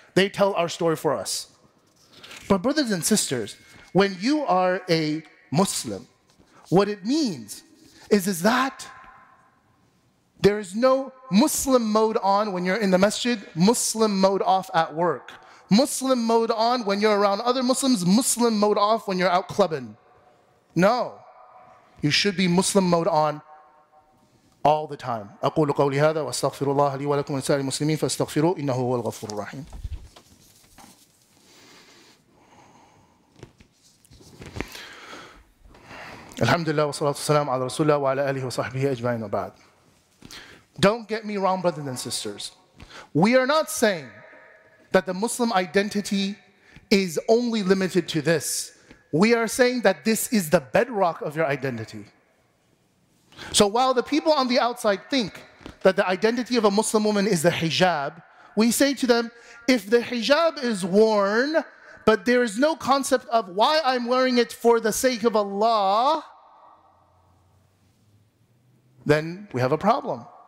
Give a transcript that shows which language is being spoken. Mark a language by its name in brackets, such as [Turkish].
[English] They tell our story for us. But brothers and sisters, when you are a Muslim, what it means is that there is no Muslim mode on when you're in the masjid, Muslim mode off at work. Muslim mode on when you're around other Muslims, Muslim mode off when you're out clubbing. No. You should be Muslim mode on all the time. [Arabic] أقول قولي هذا وأستغفر الله لي ولكم ولسائر المسلمين فاستغفروه إنه هو الغفور الرحيم. الحمد لله والصلاة والسلام على رسول الله وعلى آله وصحبه أجمعين وبعد. [English] Don't get me wrong, brothers and sisters. We are not saying that the Muslim identity is only limited to this. We are saying that this is the bedrock of your identity. So while the people on the outside think that the identity of a Muslim woman is the hijab, we say to them, if the hijab is worn, but there is no concept of why I'm wearing it for the sake of Allah, then we have a problem.